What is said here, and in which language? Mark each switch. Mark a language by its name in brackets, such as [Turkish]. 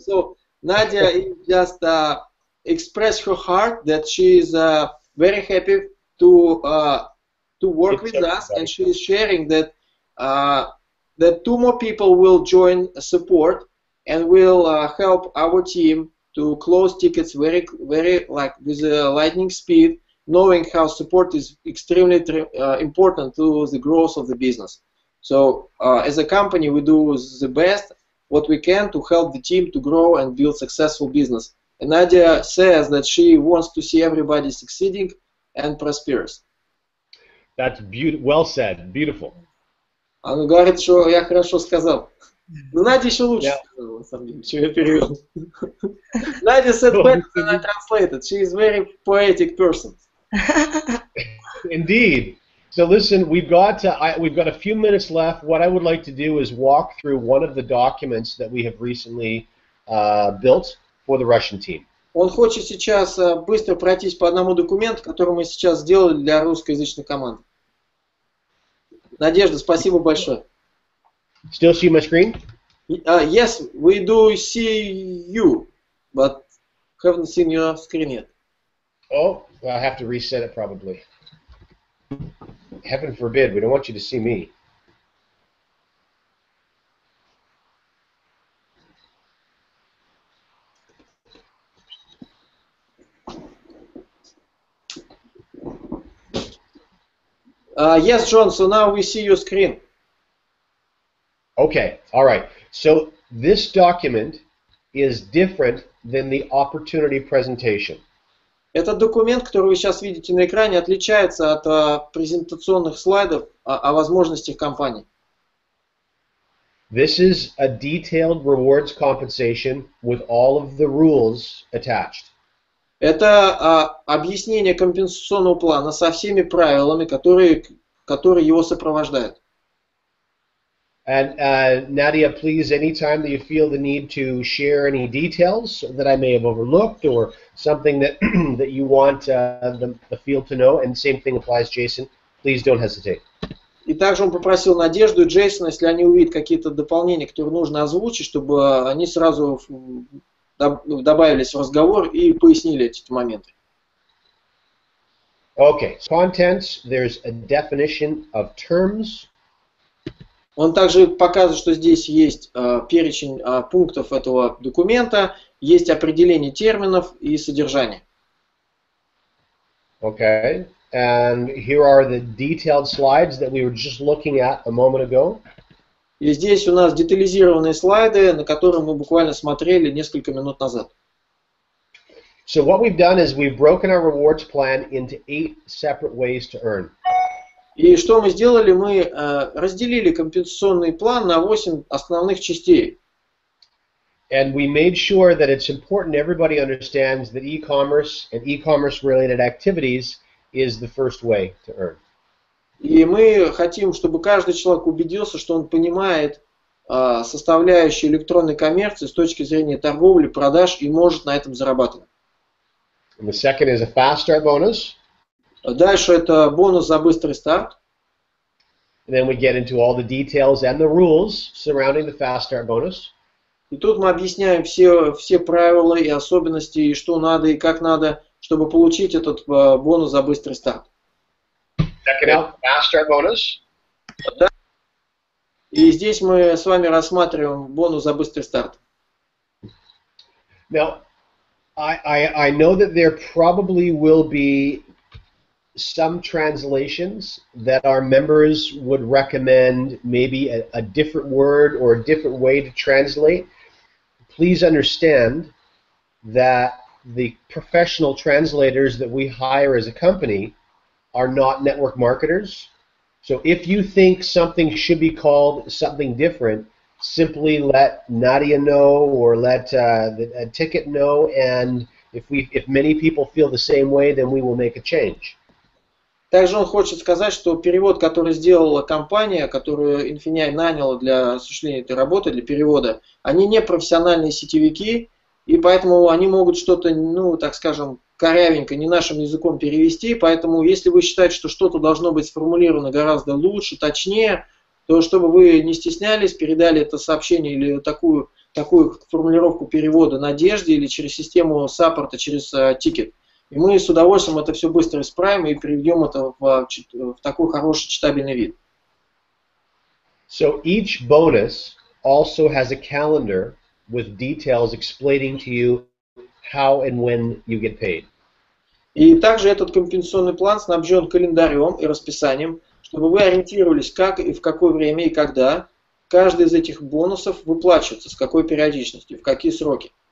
[English] So, Надя just expressed her heart that she is very happy to work with us, and she is sharing that that two more people will join support, and will help our team to close tickets very, very like with a lightning speed, knowing how support is extremely important to the growth of the business. So as a company, we do the best what we can to help the team to grow and build successful business. And Nadia says that she wants to see everybody succeeding and prosperous. That's well said, beautiful. [Russian] Она говорит, что я хорошо сказал. Надя еще лучше, yeah. Сказала, на самом деле, чем я перевел. Надя [English] said better than I translated. She is a very poetic person. Indeed. So listen, we've got a few minutes left. What I would like to do is walk through one of the documents that we have recently built for the Russian team. [Russian] Он хочет сейчас быстро пройтись по одному документу, который мы сейчас сделали для русскоязычной команды. Надежда, спасибо большое. [English] Still see my screen? Yes, we do see you, but haven't seen your screen yet. Oh, well, I have to reset it probably. Heaven forbid, we don't want you to see me. Yes, John, so now we see your screen. Okay, all right. So this document is different than the opportunity presentation. [Russian] Этот документ, который вы сейчас видите на экране, отличается от презентационных слайдов о возможностях компании. [English] This is a detailed rewards compensation with all of the rules attached. [Russian] Это объяснение компенсационного плана со всеми правилами, которые его сопровождают. [English] And Nadia, please, anytime that you feel the need to share any details that I may have overlooked or something that that you want the field to know, and same thing applies, Jason, please don't hesitate. [Russian] И также он попросил Надежду и Джейсона, если они увидят какие-то дополнения, которые нужно озвучить, чтобы они сразу добавились в разговор и пояснили эти моменты. [English] Okay, contents, there's a definition of terms. [Russian] Он также показывает, что здесь есть перечень пунктов этого документа, есть определение терминов и содержание. [English] Okay. And here are the detailed slides that we were just looking at a moment ago. [Russian] И здесь у нас детализированные слайды, на которые мы буквально смотрели несколько минут назад. [English] So what we've done is we've broken our rewards plan into 8 separate ways to earn. [Russian] И что мы сделали? Мы разделили компенсационный план на 8 основных частей. [English] And we made sure that it's important everybody understands that e-commerce and e-commerce related activities is the first way to earn. [Russian] И мы хотим, чтобы каждый человек убедился, что он понимает составляющие электронной коммерции с точки зрения торговли, продаж и может на этом зарабатывать. [English] And the second is a fast start bonus. [Russian] Дальше это бонус за быстрый старт. [English] And then we get into all the details and the rules surrounding the fast start bonus. [Russian] И тут мы объясняем все правила и особенности, и что надо, и как надо, чтобы получить этот бонус за быстрый старт. [English] Check it out, fast start bonus. [Russian] Да. И здесь мы с вами рассматриваем бонус за быстрый старт. [English] Now, I know that there probably will be some translations that our members would recommend maybe a different word or a different way to translate. Please understand that the professional translators that we hire as a company are not network marketers. So if you think something should be called something different, simply let Nadia know or let the ticket know, and if many people feel the same way, then we will make a change. [Russian] Также он хочет сказать, что перевод, который сделала компания, которую Infinii наняла для осуществления этой работы, для перевода, они не профессиональные сетевики, и поэтому они могут что-то, ну, так скажем, корявенько, не нашим языком перевести, поэтому если вы считаете, что что-то должно быть сформулировано гораздо лучше, точнее, то чтобы вы не стеснялись, передали это сообщение или такую формулировку перевода Надежде или через систему саппорта, через тикет. И мы с удовольствием это все быстро исправим и приведем это в такой хороший читабельный вид. [English] So each bonus also has a calendar with details explaining to you how and when you get paid. [Russian] И также этот компенсационный план снабжен календарем и расписанием, чтобы вы ориентировались, как и в какое время и когда каждый из этих бонусов выплачивается, с какой периодичностью, в какие сроки.